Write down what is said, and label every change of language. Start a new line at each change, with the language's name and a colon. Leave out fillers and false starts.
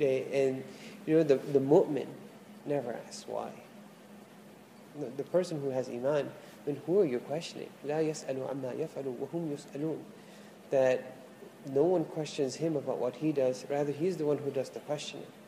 English: And, the mu'min never asks why. The person who has iman, then who are you questioning?
Arabic: لا يسألوا عما يفعلوا وهم يسألون.
English: That no one questions him about what he does, rather he's the one who does the questioning.